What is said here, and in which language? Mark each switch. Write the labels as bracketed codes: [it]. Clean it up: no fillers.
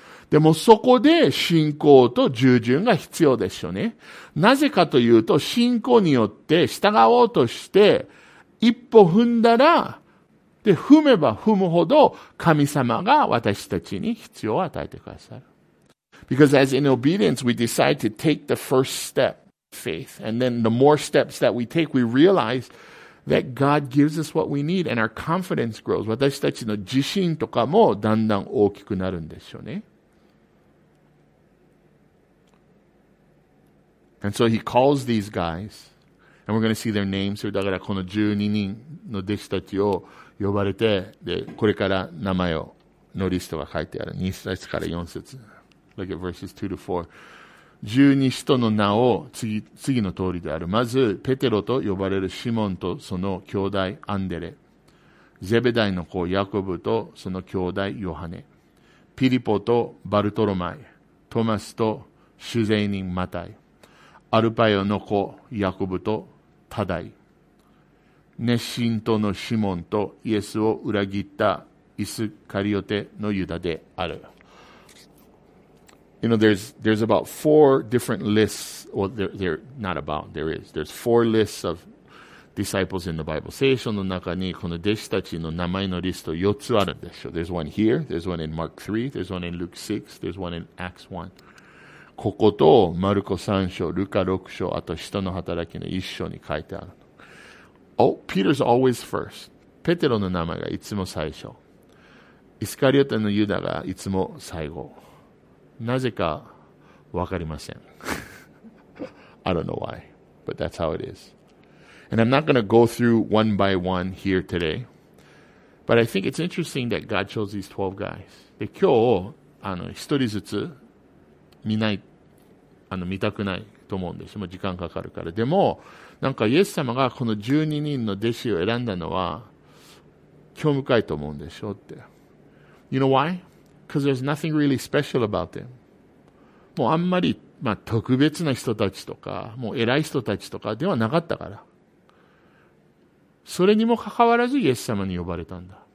[ja] でもそこで信仰と従順が必要でしょうね。なぜかというと信仰によって従おうとして一歩踏んだら、で踏めば踏むほど神様が私たちに必要を与えてくださる。 [en] Because as in obedience, we decide to take the first step, faith. And then the more steps that we take, we realize that God gives us what we need and our confidence grows. [ja] 私たちの自信とかもだんだん大きくなるんでしょうね。 [en] And so he calls these guys, and we're going to see their names here. [ja] だからこの12人の弟子たちを呼ばれて、で、これから名前をのリストが書いてある。 2節から4節。 [en] Look at verses 2 to 4. [ja] 十二使徒の名を 次の通りである。まず、ペテロと呼ばれるシモンとその兄弟アンデレ。ゼベダイの子ヤコブとその兄弟ヨハネ。ピリポとバルトロマイ。トマスと主税人マタイ。アルパヨの子ヤコブとタダイ。熱心とのシモンとイエスを裏切ったイスカリオテのユダである。 [en] You know, there's about four different lists. Well, they're not about. There is. There's four lists of disciples in the Bible. [ja] 聖書の中にこの弟子たちの名前のリスト4つあるんでしょう。 [en] There's one here. There's one in Mark 3. There's one in Luke 6. There's one in Acts 1. [ja] ここと、マルコ3章、ルカ6章、あと使徒の働きの1章に書いてある。 [en] Oh, Peter's always first. [ja] ペテロの名前がいつも最初。イスカリオテのユダがいつも最後。なぜかわかりません。 [en] I don't know why, but that's how it is. And I'm not going to go through one by one here today, but I think it's interesting that God chose these 12 guys. [ja] で、今日、一人ずつ見ない、見たくないと思うんですよ。もう時間かかるから。でも、なんかイエス様がこの12人の弟子を選んだのは興味深いと思うんでしょうって。 [en] You know why? Because there's nothing really special about them. [ja] もうあんまり、特別な人たちとか、もう偉い人たちとかではなかったから。それにもかかわらずイエス様に呼ばれたんだ。